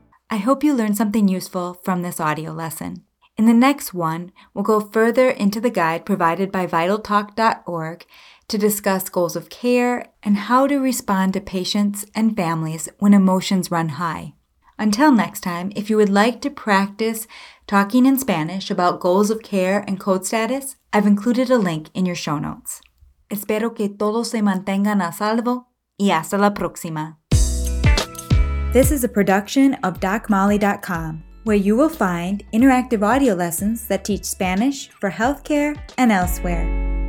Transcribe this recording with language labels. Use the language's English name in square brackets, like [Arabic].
[English] I hope you learned something useful from this audio lesson. In the next one, we'll go further into the guide provided by VitalTalk.org to discuss goals of care and how to respond to patients and families when emotions run high. Until next time, if you would like to practice talking in Spanish about goals of care and code status, I've included a link in your show notes. [Spanish] Espero que todos se mantengan a salvo y hasta la próxima. [English] This is a production of DocMolly.com, where you will find interactive audio lessons that teach Spanish for healthcare and elsewhere.